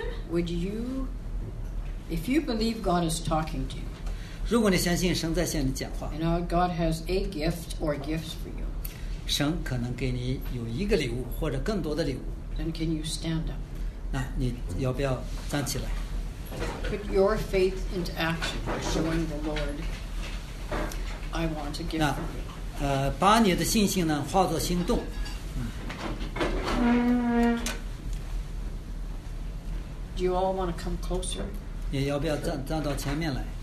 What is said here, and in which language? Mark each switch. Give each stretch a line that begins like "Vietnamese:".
English: Would you, if you believe God is talking to you,
Chinese: 如果你相信神在向你讲话,
English: you know, God has a gift or gifts for you,
Chinese: 神可能给你有一个礼物或者更多的礼物,
English: then can you stand up?
Chinese: 那你要不要站起来?
English: Put your faith into action by showing the Lord, I want a gift for you.
Chinese: 把你的信心呢化作行动。
English: Do you all want to come closer?
Chinese: 你要不要站, 站到前面来?